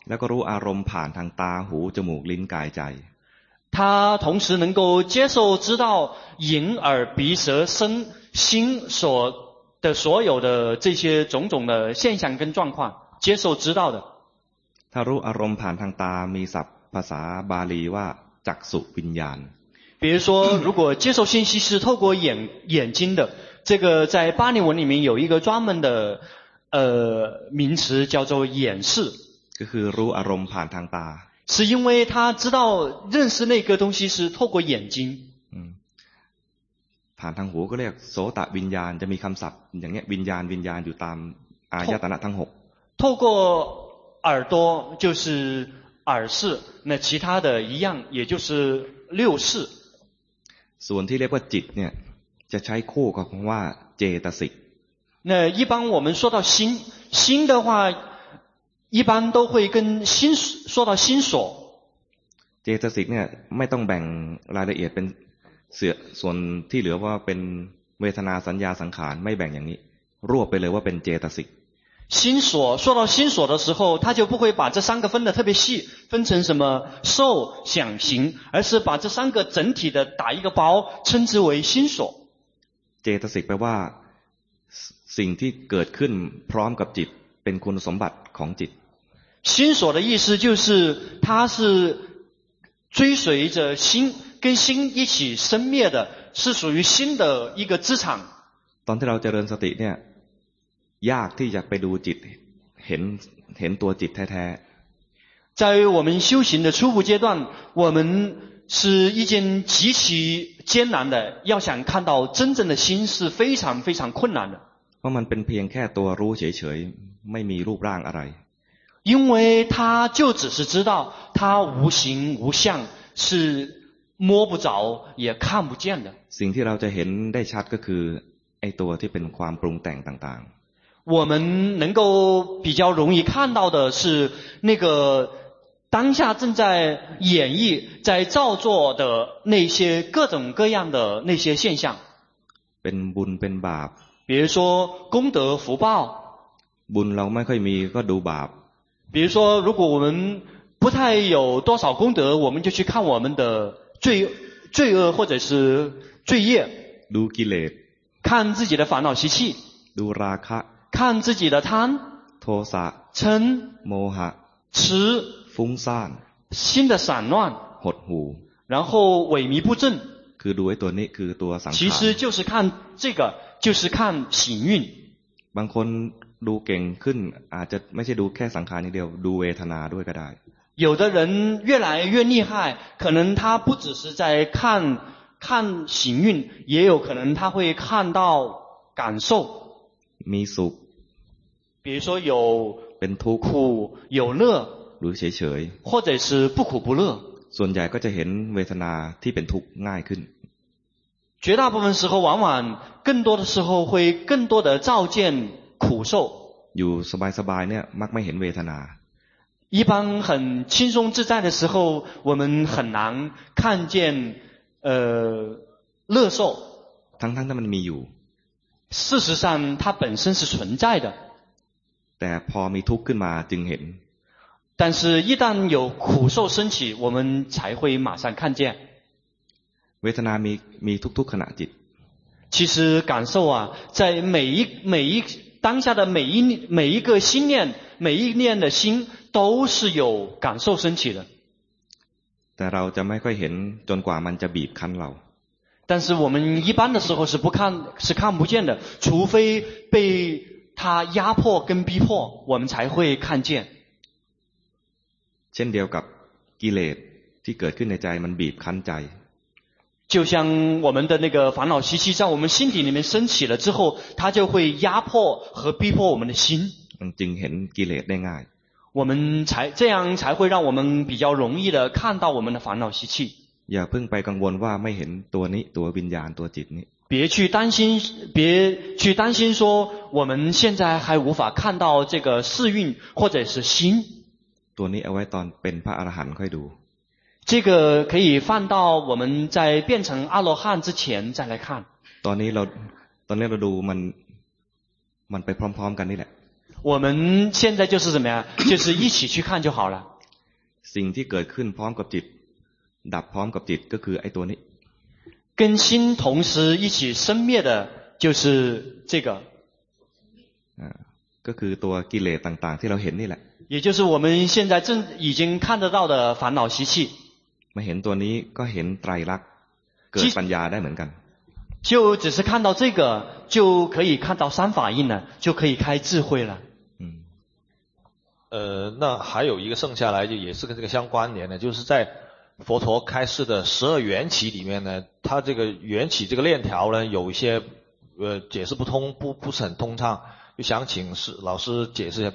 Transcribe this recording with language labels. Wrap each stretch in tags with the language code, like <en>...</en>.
<th>แล้วก็รู้อารมณ์ผ่านทางตาหูจมูกลิ้นกายใจ。</th> <zh>他同时能够接受知道眼耳鼻舌身心所的所有的这些种种的现象跟状况接受知道的</zh> <th>他รู้อารมณ์ผ่านทางตามีศัพท์ภาษาบาลีว่าจักษุวิญญาณ</th> <zh>比如说如果接受信息是透过眼睛的这个在巴利文里面有一个专门的名词叫做眼识</zh> <th>ก็คือรู้อารมณ์ผ่านทางตา</th> <zh>是因为他知道认识那个东西是透过眼睛。</zh> <th>ผ่านทางหูก็เรียกโสตวิญญาณจะมีคำศัพท์อย่างเงี้ยวิญญาณวิญญาณอยู่ตามอายตนะทั้งหก。</th> <zh>透过耳朵就是耳识，那其他的一样，也就是六识。</zh> <th>ส่วนที่เรียกว่าจิตเนี่ยจะใช้คู่กับคำว่าเจตสิก。</th> <zh>那一般我们说到心的话。一般都会跟心说到心所。</zh> <th>เจตสิกเนี่ยไม่ต้องแบ่งรายละเอียดเป็นส่วนที่เหลือว่าเป็นเวทนาสัญญาสังขารไม่แบ่งอย่างนี้รวบไปเลยว่าเป็นเจตสิก。</th> <zh>心所说到心所的时候，他就不会把这三个分的特别细，分成什么受想行，而是把这三个整体的打一个包，称之为心所。</zh> <th>เจตสิกแปลว่าสิ่งที่เกิดขึ้นพร้อมกับจิตเป็นคุณสมบัติของจิต</th> <zh>心所的意思就是它是追随着心跟心一起生灭的是属于心的一个资产</zh> <th>ตอนที่เราเจริญสติเนี่ยยากที่จะไปดูจิตเห็นตัวจิตแท้</th> <zh>ๆ在我们修行的初步阶段我们是一件极其艰难的要想看到真正的心是非常非常困难的</zh> <th>เพราะมันเป็นเพียงแค่ตัวรู้เฉยๆไม่มีรูปร่างอะไร</th> <zh>因为他就只是知道他无形无相是摸不着也看不见的</zh> <th>สิ่งที่เราจะเห็นได้ชัดก็คือไอ้ตัวที่เป็นความปรุงแต่งต่าง</th> <zh>ๆ我们能够比较容易看到的是那个当下正在演绎在造作的那些各种各样的那些现象</zh> <th>เป็นบุญเป็นบาป</th> <zh>บุญ说功德福报</zh> <th>บุญเราไม่ค่อยมีก็ดูบาป</th> <zh>比如说如果我们不太有多少功德我们就去看我们的罪恶或者是罪业</zh> <th>ดูกิเลส</th> <zh>看自己的烦恼习气</zh> <th>ดูราคะ</th> <zh>看自己的贪</zh> <th>โทสะ</th> <zh>嗔</zh> <th>โมหะ</th> <zh>痴</zh> <th>ฟุ้งซ่าน</th> <zh>心的散乱</zh> <th>หดหู</th> <zh>然后萎靡不振</zh> <th>คือดูไอ้ตัวนี้คือตัวสังข</th> <zh>าร其实就是看这个就是看行运</zh> <th>บางคนดูเก่งขึ้นอาจจะไม่ใช่ดูแค่สังขารอย่างเดียวดูเวทนาด้วยก็ได้</th> <zh>有的人越来越厉害可能他不只是在看看行运，也有可能他会看到感受。</zh> <th>มีสุข，</th> <zh>比如说有</zh> <th>เป็นทุกข์</th> <zh>苦有乐，</zh> <th>หรือเฉยเฉย，</th> <zh>或者是不苦不乐。</zh> <th>ส่วนใหญ่ก็จะเห็นเวทนาที่เป็นทุกข์ง่ายขึ้น。</th> <zh>绝大部分时候，往往更多的时候会更多的照见苦受。</zh> <th>อยู่สบายสบายเนี่ยมักไม่เห็นเวทนา。</th> <zh>一般很轻松自在的时候，我们很难看见乐受。</zh> <th>ทั้งที่มันมีอยู่。</th> <zh>事实上，它本身是存在的。</zh> <th>แต่พอมีทุกข์ขึ้นมาจึงเห็น。</th> <zh>但是一旦有苦受升起，我们才会马上看见。</zh> <th>เวทนามีทุกๆขณะจิต。</th> <zh>其实感受啊，在每一当下的每一个心念，每一念的心都是有感受升起的。</zh> <th>แต่เราจะไม่ค่อยเห็นจนกว่ามันจะบีบคั้นเรา。</th> <zh>但是我们一般的时候是看不见的，除非被它压迫跟逼迫，我们才会看见。</zh> <th>เช่นเดียวกับกิเลสที่เกิดขึ้นในใจมันบีบคั้นใจ。</th> <zh>就像我们的那个烦恼习气在我们心底里面升起了之后，它就会压迫和逼迫我们的心。</zh> <th>จึงเห็นกิเลสได้ง่าย。</th> <zh>我们才这样才会让我们比较容易的看到我们的烦恼习气。</zh> <th>อย่าเพิ่งไปกังวลว่าไม่เห็นตัวนี้ตัววิญญาณตัวจิตนี้。</th> <zh>别去担心说我们现在还无法看到这个四蕴或者是心。</zh> <th>ตัวนี้เอาไว้ตอนเป็นพระอรหันต์ค่อยดู。</th> <zh>这个可以放到我们在变成阿罗汉之前再来看。</zh> <th>ตอนนี้เราดูมันไปพร้อมๆกันนี่แหละ。</th> <zh>我们现在就是怎么样？就是一起去看就好了。</zh> <th>สิ่งที่เกิดขึ้นพร้อมกับจิตดับพร้อมกับจิตก็คือไอ้ตัวนี้。</th> <zh>跟心同时一起生灭的就是这个。</zh> <th>ก็คือตัวกิเลสต่างๆที่เราเห็นนี่แหละ。</th> <zh>也就是我们现在正已经看得到的烦恼习气。</zh> <th>มาเห็นตัวนี้ก็เห็นไตรลักษณ์เกิดปัญญาได้เหมือนกัน。</th> <zh>就只是看到这个就可以看到三法印了，就可以开智慧了。那还有一个剩下来就也是跟这个相关联的，就是在佛陀开示的十二缘起里面呢，他这个缘起这个链条呢有一些解释不通，不是很通畅，就想请老师解释一下。</zh>